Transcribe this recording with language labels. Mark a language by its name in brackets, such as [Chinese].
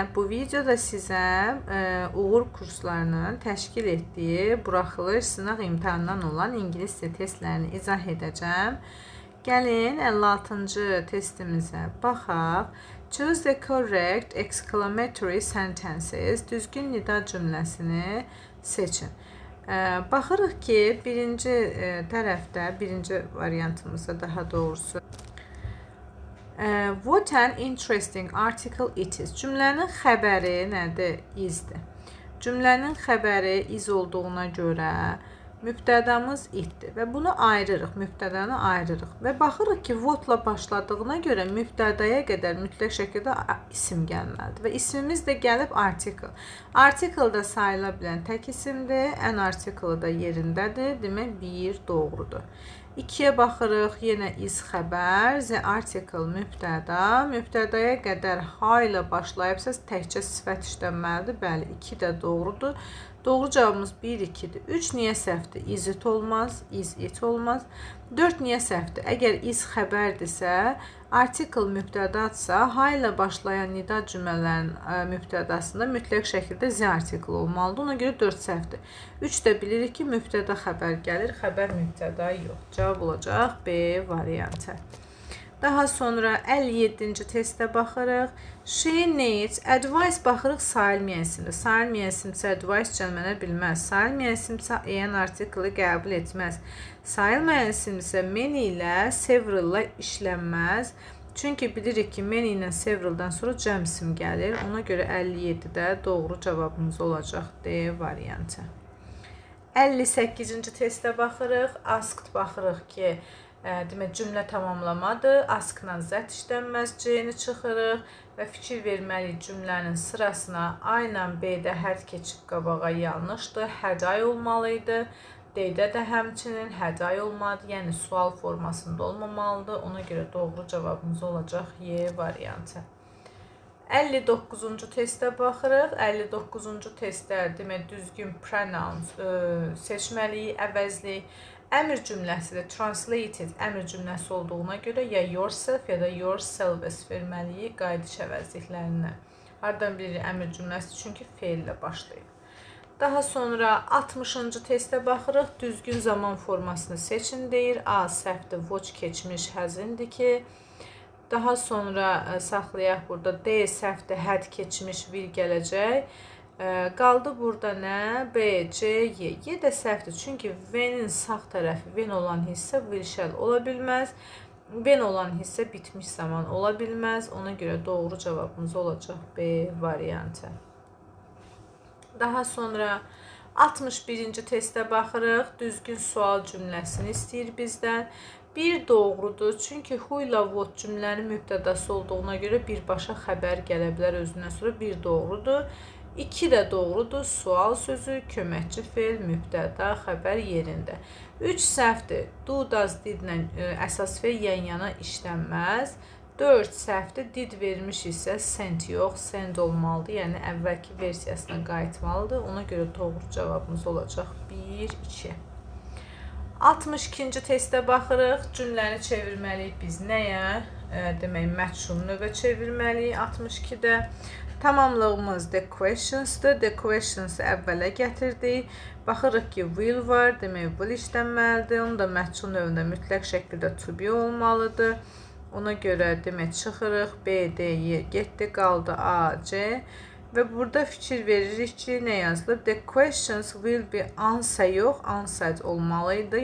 [Azerbaijani] Bu videoda sizə uğur kurslarının təşkil etdiyi buraxılış sınav imtihanından olan ingilis testlerini izah edəcəm. Gəlin 56-cı testimizə baxaq. [English] Choose the correct exclamatory sentences. [Azerbaijani] Düzgün nida cümləsini seçin. Baxırıq ki, birinci tərəfdə, birinci variantımızda daha doğrusu. [English] What an interesting article it is. [Azerbaijani] Cümlənin xəbəri nədir? Is-dir. Cümlənin xəbəri is olduğuna görə mübtədamız it-dir. Və bunu ayırırıq, mübtədanı ayırırıq. Və baxırıq ki, what-la başladığına görə mübtədaya qədər mütləq şəkildə isim gəlməlidir. Və ismimiz də gəlib article. Article da sayıla bilən tək isimdir. An article da yerindədir. Demək, bir doğrudur. İkiyə baxırıq, yenə is xəbər, the article mübtəda, mübtədaya qədər ha ilə başlayıbsa təkcə sifət işlənməlidir, bəli, iki də doğrudur. Doğru cavabımız 1-2-dir. 3 niyə səhvdir? [English] Is it [Azerbaijani] olmaz, is it olmaz. 4 niyə səhvdir? Əgər is xəbərdirsə, article mübtədadsa, ha ilə başlayan nida cümlələrin mübtədasında mütləq şəkildə the article olmalıdır. Ona görə 4 səhvdir. 3 də bilirik ki, mübtədə xəbər gəlir, xəbər mübtəda yox. Cavab olacaq B variantı. Daha sonra 57-ci testə baxırıq. [English] She needs advice [Azerbaijani] baxırıq sayılmayan isimdə. Sayılmayan isimsə advice cəlmənə bilməz. Sayılmayan isimsə an artikli qəbul etməz. Sayılmayan isimsə many ilə several ilə işlənməz. Çünki bilirik ki, many ilə several-dan sonra cəm isim gəlir. Ona görə 57-də doğru cavabımız olacaq D variantı. 58-ci testə baxırıq. Asked baxırıq ki, demək, cümlə tamamlamadır. Ask-la zət işlənməz C-ni çıxırıq və fikir verməliyik cümlənin sırasına. A ilə B-də had keçib qabağa yanlışdır. [English] Had I [Azerbaijani] olmalıydı. D-də də həmçinin had I olmadı. Yəni, sual formasında olmamalıdır. Ona görə doğru cavabımız olacaq Y variantı. 59-cu testə baxırıq. 59-cu testdə demək, düzgün pronouns seçməliyik, əvəzliyik. Əmr cümləsi də translated əmr cümləsi olduğuna görə ya yourself ya da yourselves verməliyi qayıdış əvəzliklərinə. Hardan bilir əmr cümləsi? Çünki fail ilə başlayıb. Daha sonra 60-cı testə baxırıq. Düzgün zaman formasını seçin deyir. A, səhvdir, watch keçmiş, hazindir ki. Daha sonra saxlayaq burada. D, səhvdir, had keçmiş, will gələcək. Qaldı burada nə? B, C, Y. Y də səhvdir. Çünki V-nin sağ tərəfi, V olan hissə will shall ola bilməz. V olan hissə bitmiş zaman ola bilməz. Ona görə doğru cavabımız olacaq B variantı. Daha sonra 61-ci testə baxırıq. Düzgün sual cümləsini istəyir bizdən. Bir doğrudur, çünki who ilə what cümlənin mübtədası olduğuna görə birbaşa xəbər gələ bilər özündən sonra. Bir doğrudur. İki də doğrudur, sual sözü, köməkçi fel, mübtəda, xəbər yerində. Üç səhvdir, do, does, did ilə əsas fel yan-yana işlənməz. Dörd səhvdir, did vermiş isə sent yox, send olmalıdır, yəni əvvəlki versiyasına qayıtmalıdır. Ona görə doğru cavabımız olacaq 1-2. 62-ci testə baxırıq, cümləni çevirməliyik biz nəyə? Demək, məçhul növə çevirməliyik 62-də. Tamamlığımız the questions-dır. The questions əvvələ gətirdik. Baxırıq ki, will var, demək, will işlənməlidir. Onu da məçhul növündə mütləq şəkildə to be olmalıdır. Ona görə, demək, çıxırıq. B, D, Y, getdi, qaldı, A, C. Və burada fikir veririk ki, nə yazılır? [English] The questions will be answer [Azerbaijani] yox, answered olmalıydı.